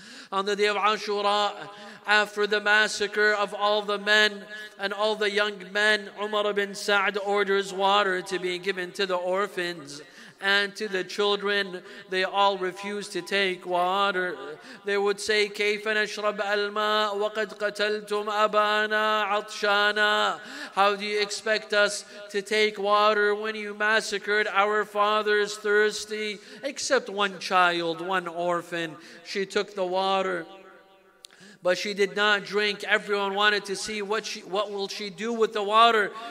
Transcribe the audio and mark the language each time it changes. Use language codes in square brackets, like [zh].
[en] On the day of Ashura, after the massacre of all the men and all the young men, Umar ibn Sa'd orders water to be given to the orphans and to the children. They all refused to take water. They would say, [ar] كَيْفَ نَشْرَبْ الْمَاء وَقَدْ قَتَلْتُمْ أَبَانَا عَطْشَانَا? [en] How do you expect us to take water when you massacred our fathers thirsty? Except one child, one orphan. She took the water, but she did not drink. Everyone wanted to see what will she do with the water.